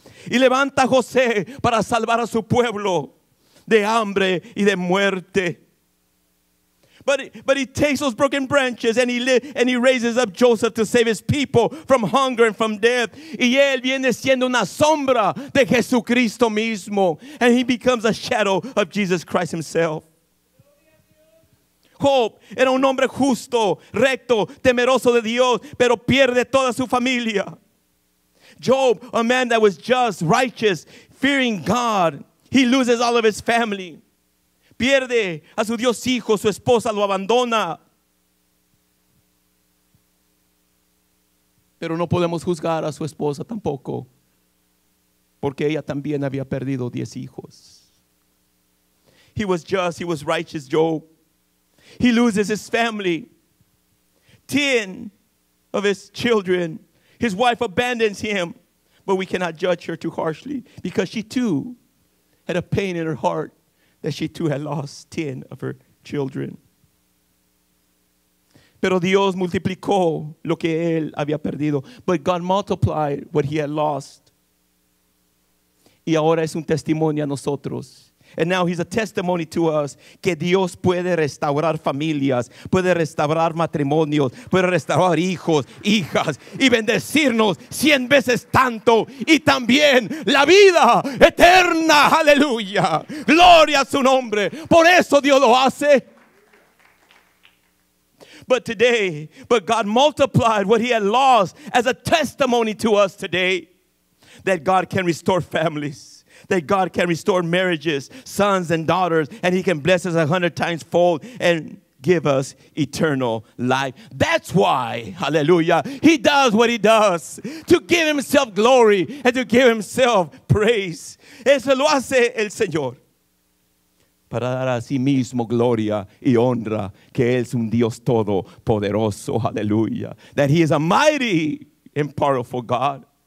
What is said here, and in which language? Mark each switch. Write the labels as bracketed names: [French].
[Spanish] Y levanta a José para salvar a su pueblo de hambre y de muerte. [English] But he takes those broken branches and he raises up Joseph to save his people from hunger and from death. [Spanish] Y él viene siendo una sombra de Jesucristo mismo. [English] And he becomes a shadow of Jesus Christ himself. [Spanish] Job era un hombre justo, recto, temeroso de Dios, pero pierde toda su familia. [English] Job, a man that was just, righteous, fearing God, he loses all of his family. [Spanish] Pierde a su Dios hijo, su esposa lo abandona. Pero no podemos juzgar a su esposa tampoco, porque ella también había perdido 10 hijos. [English] He was just, he was righteous, Job. He loses his family. 10 of his children. His wife abandons him. But we cannot judge her too harshly, because she too had a pain in her heart that she too had lost 10 of her children. [Spanish] Pero Dios multiplicó lo que él había perdido. [English] But God multiplied what he had lost. [Spanish] Y ahora es un testimonio a nosotros. [English] And now he's a testimony to us [Spanish] que Dios puede restaurar familias, puede restaurar matrimonios, puede restaurar hijos, hijas y bendecirnos 100 veces tanto y también la vida eterna. Aleluya. Gloria a su nombre. Por eso Dios lo hace. [English] But today, but God multiplied what he had lost as a testimony to us today that God can restore families. That God can restore marriages, sons and daughters, and he can bless us 100 times fold and give us eternal life. That's why, hallelujah, he does what he does, to give himself glory and to give himself praise. [Spanish] Eso lo hace el Señor. Para dar a sí mismo gloria y honra, que él es un Dios todopoderoso, hallelujah. [English] That he is a mighty and powerful God.